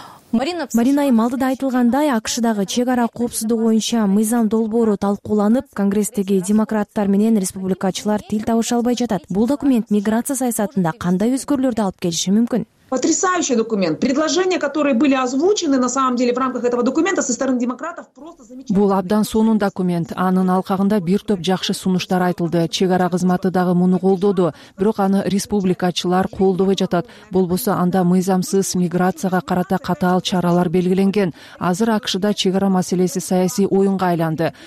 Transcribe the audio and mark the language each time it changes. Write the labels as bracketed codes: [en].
[ky] Марина айым, алдыда айтылгандай, АКШ-дагы чек ара коопсуздугу боюнча мыйзам долбоору талкууланып, конгресстеги демократтар менен республикачылар тил табыша албай жатат. Бул документ миграция саясатында кандай өзгөрүүлөрдү алып келиши мүмкүн? [ru] Потрясающий документ. Предложения, которые были озвучены на самом деле в рамках этого документа со стороны демократов, просто замечательные. [ky] Бул абдан сонун документ. Анын алкагында бир топ жакшы сунуштар айтылды. Чек ара кызматы дагы муну колдоду. Бирок аны республикачылар колдобой жатат. Болбосо анда мыйзамсыз миграцияга карата катаал чаралар белгиленген. Азыр АКШ-да чек ара маселеси саясий оюнга айланды.